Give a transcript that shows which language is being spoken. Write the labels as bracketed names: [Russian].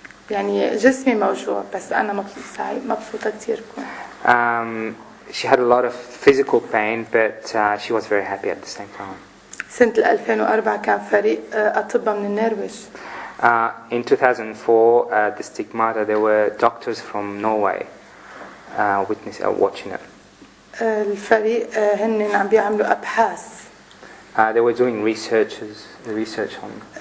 [Arabic] يعني جسمي موجوع بس أنا مبسوطة كتير كون. [English] She had a lot of physical pain, but she was very happy at the same time. [Arabic] سنة 2004 كان فريق أطباء من النرويج. [English] In 2004, the stigmata, there were doctors from Norway watching it. [Arabic] الفريق هن عم بيعملوا أبحاث. [English] They were doing research on.